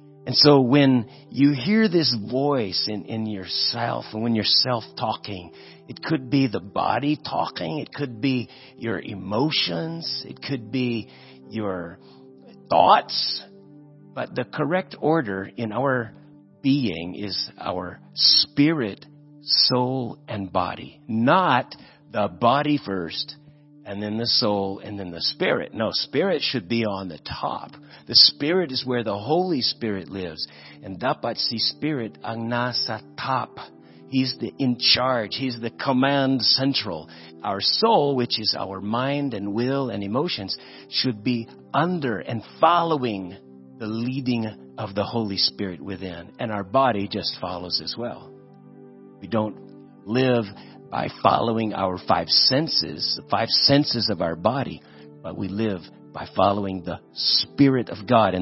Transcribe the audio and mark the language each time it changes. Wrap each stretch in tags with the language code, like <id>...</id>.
<en>And so when you hear this voice in yourself, when you're self-talking, it could be the body talking, it could be your emotions, it could be your thoughts, but the correct order in our being is our spirit, soul, and body. Not the body first, and then the soul, and then the spirit. No, spirit should be on the top. The spirit is where the Holy Spirit lives.</en> <tl>And dapat si spirit ang nasa top.</tl> <en>He's the in charge. He's the command central. Our soul, which is our mind and will and emotions, should be under and following the leading of the Holy Spirit within. And our body just follows as well. We don't live by following our five senses of our body, but we live by following the Spirit of God.</en>